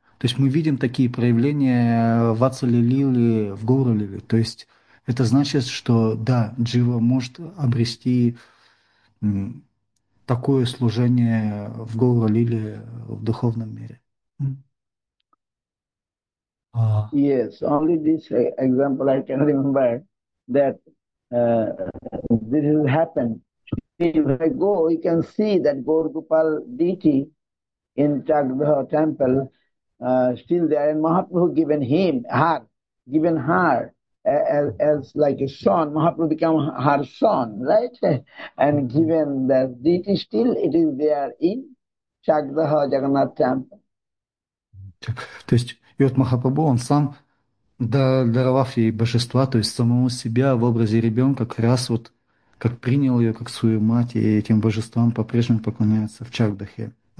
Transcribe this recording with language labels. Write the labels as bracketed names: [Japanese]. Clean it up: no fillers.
[Russian] То есть мы видим такие проявления Ватсалья-лили в Гоура-лиле. То есть это значит, что да, Джива может обрести такое служение в Гоура-лиле в духовном мире. [English] Yes, only this example I can remember that this has happened. If I go, you can see that Gaur Gopal deity in Chakdaha temple still there, and Mahaprabhu given her as like a son. Mahaprabhu become her son, right? And given that deity still it is there in Chakdaha Jagannath temple. [Russian] То есть, и вот Махапрабху, он сам, даровав ей божества, то есть самого себя в образе ребенка, как раз вот как принял ее как свою мать, и этим божествам по-прежнему поклоняется в Чагдахе.